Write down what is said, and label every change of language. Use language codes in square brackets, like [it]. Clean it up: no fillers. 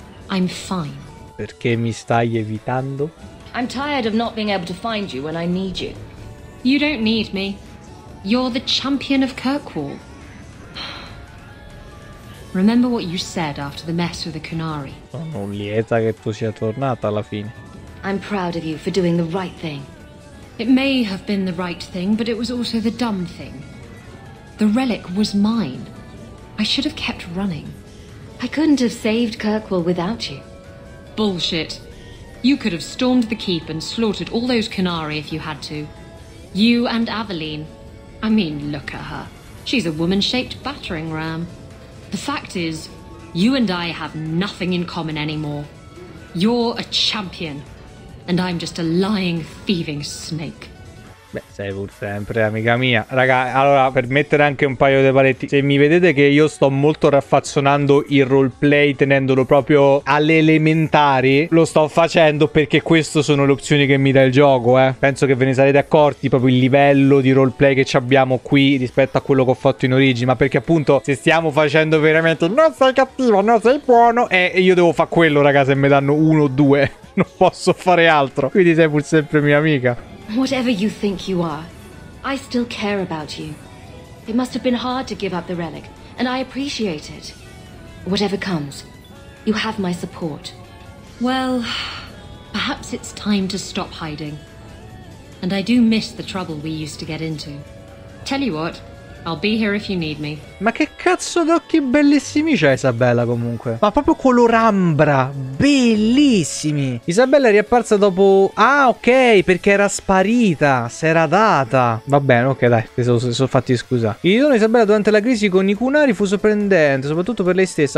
[en] I'm fine. [it] Perché mi stai evitando? [en] I'm tired of not being able to find you when I need you. You don't need me. You're the champion of Kirkwall. Remember what you said after the mess with the Canari. [it] Sono lieta che tu sia tornata alla fine. [en] I'm proud of you for doing the right thing. It may have been the right thing, but it was also the dumb thing. The relic was mine. I should have kept running. I couldn't have saved Kirkwall without you. Bullshit. You could have stormed the keep and slaughtered all those Canari if you had to. You and Avelyn. I mean, look at her. She's a woman-shaped battering ram. The fact is, you and I have nothing in common anymore. You're a champion. And I'm just a lying, thieving snake. [it] Beh, sei pur sempre, amica mia. Raga, allora, per mettere anche un paio di paletti, se mi vedete che io sto molto raffazzonando il roleplay tenendolo proprio alle elementari, lo sto facendo perché queste sono le opzioni che mi dà il gioco, eh. Penso che ve ne sarete accorti, proprio il livello di roleplay che ci abbiamo qui rispetto a quello che ho fatto in origine. Ma perché appunto, se stiamo facendo veramente non sei cattivo, non sei buono, io devo fare quello, raga, se mi danno uno o due. Non posso fare altro. Quindi sei pur sempre mia amica. [en] Whatever you think you are, I still care about you. It must have been hard to give up the relic, and I appreciate it. Whatever comes, you have my support. Well, perhaps it's time to stop hiding. And I do miss the trouble we used to get into. Tell you what, I'll be here if you need me. [it] Ma che cazzo d'occhi bellissimi c'ha Isabella comunque. Ma proprio color ambra, bellissimi. Isabella è riapparsa dopo... Ah, ok, perché era sparita, si era data. Va bene, ok, dai, sono fatti scusa. Il ritorno di Isabella durante la crisi con i Cunari fu sorprendente, soprattutto per lei stessa.